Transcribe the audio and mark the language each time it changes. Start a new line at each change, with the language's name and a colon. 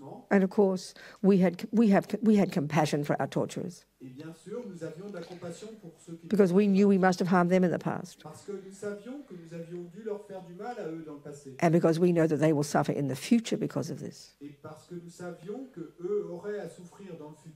English: And of course, we had compassion for our torturers.
French: Et bien sûr, nous avions de la compassion pour ceux qui
English: because we knew we must have harmed them in the past.
French: Parce que nous savions que nous avions dû leur faire du mal à eux dans le passé.
English: And because we know that they will suffer in the future because of this.
French: Et parce que nous savions que eux auraient à souffrir dans le futur.